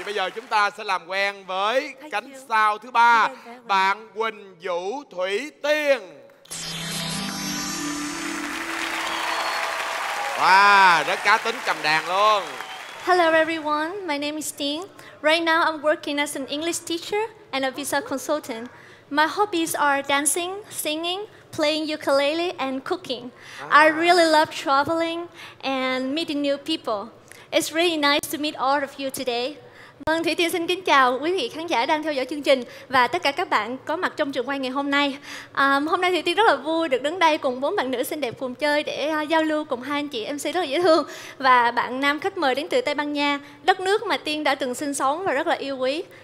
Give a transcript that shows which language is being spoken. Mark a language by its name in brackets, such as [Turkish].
[Vietnamese] Bây giờ chúng ta sẽ làm quen với cánh sao thứ ba, bạn Quỳnh Vũ Thủy Tiên. Wow, rất cá tính cầm đàn luôn. [English] Hello everyone, my name is Tiên. Right now I'm working as an English teacher and a visa consultant. My hobbies are dancing, singing, playing ukulele and cooking. Ah. I really love traveling and meeting new people. It's really nice to meet all of you today. [Vietnamese] Vâng, Thủy Tiên xin kính chào quý vị khán giả đang theo dõi chương trình và tất cả các bạn có mặt trong trường quay ngày hôm nay. Hôm nay Thủy Tiên rất là vui được đứng đây cùng bốn bạn nữ xinh đẹp cùng chơi để giao lưu cùng hai anh chị MC rất là dễ thương và bạn nam khách mời đến từ Tây Ban Nha, đất nước mà Tiên đã từng sinh sống và rất là yêu quý.